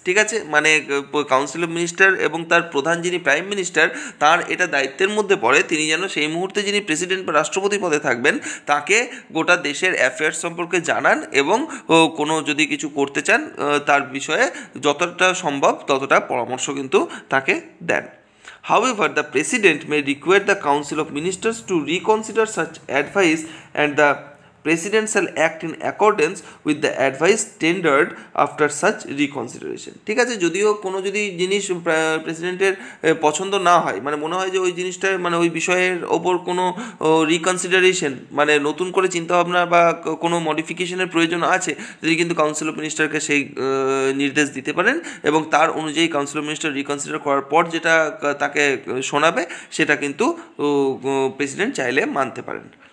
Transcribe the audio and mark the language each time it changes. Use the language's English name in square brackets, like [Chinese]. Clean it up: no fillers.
[Bangla] ঠিক আছে, মানে কাউন্সিল অফ মিনিস্টার এবং তার প্রধান যিনি প্রাইম মিনিস্টার তার এটা দায়িত্বের মধ্যে পড়ে, তিনি যেন সেই মুহূর্তে যিনি প্রেসিডেন্ট বা রাষ্ট্রপতি পদে থাকবেন তাকে গোটা দেশের অ্যাফেয়ার সম্পর্কে জানান এবং কোনো যদি কিছু করতে চান তার বিষয়ে যতটা সম্ভব ততটা পরামর্শ কিন্তু তাকে দেন। [English] However, the president may require the Council of Ministers to reconsider such advice and the president shall act in accordance with the advice tendered after such reconsideration. [Bangla] ঠিক আছে, যদিও কোনো যদি জিনিস প্রেসিডেন্টের পছন্দ না হয়, মানে মনে হয় যে ওই জিনিসটা মানে ওই বিষয়ের ওপর কোনো রিকনসিডারেশন মানে নতুন করে চিন্তাভাবনা বা কোনো মডিফিকেশনের প্রয়োজন আছে, তিনি কিন্তু কাউন্সিল অফ মিনিস্টারকে সেই নির্দেশ দিতে পারেন এবং তার অনুযায়ী কাউন্সিল অফ মিনিস্টার রিকনসিডার করার পর যেটা তাকে শোনাবে সেটা কিন্তু প্রেসিডেন্ট চাইলে মানতে পারেন।